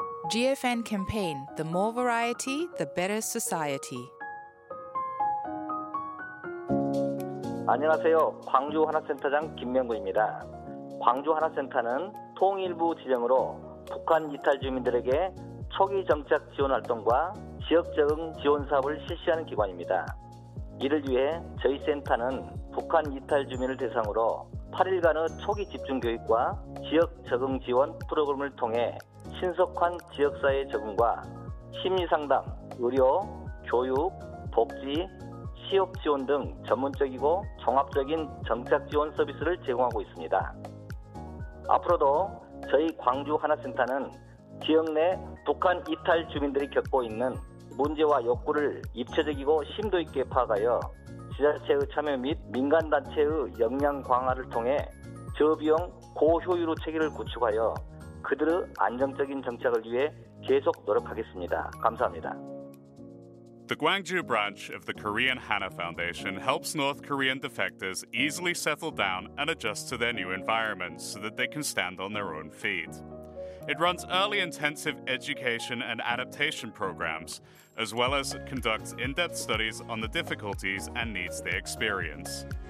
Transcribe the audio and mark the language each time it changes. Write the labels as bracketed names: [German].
[English] GFN campaign, the more variety, the better society. [Korean] 안녕하세요. 광주 한화센터장 김명구입니다. 광주 한화센터는 통일부 지정으로 북한 이탈 주민들에게 초기 정착 지원 활동과 지역 적응 지원 사업을 실시하는 기관입니다. 이를 위해 저희 센터는 북한 이탈 주민을 대상으로 8일간의 초기 집중교육과 지역 적응 지원 프로그램을 통해 신속한 지역사회 적응과 심리상담, 의료, 교육, 복지, 취업 지원 등 전문적이고 종합적인 정착 지원 서비스를 제공하고 있습니다. 앞으로도 저희 광주 하나센터는 지역 내 북한 이탈 주민들이 겪고 있는 문제와 욕구를 입체적이고 심도 있게 파악하여 지자체의 참여 및 민간단체의 역량 강화를 통해 저비용 고효율의 체계를 구축하여 그들의 안정적인 정착을 위해 계속 노력하겠습니다. 감사합니다. [English] The Gwangju branch of the Korean Hana Foundation helps North Korean defectors easily settle down and adjust to their new environments so that they can stand on their own feet. It runs early intensive education and adaptation programs, as well as conducts in-depth studies on the difficulties and needs they experience.